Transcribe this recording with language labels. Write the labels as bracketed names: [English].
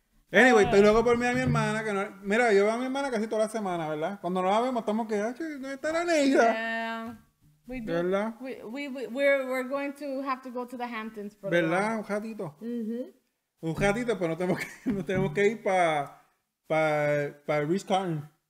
[Spanish] Anyway, estoy loco por mí a mi hermana. Que no, mira, yo veo a mi hermana casi toda la semana, ¿verdad? Cuando no la vemos, estamos que, ¿dónde está la negra? [English] We're going to have to go to the Hamptons for [Spanish] ¿verdad? [English] The [Spanish] un ratito. Mm-hmm. Un ratito, pero no tenemos que ir para Ritz Carlton.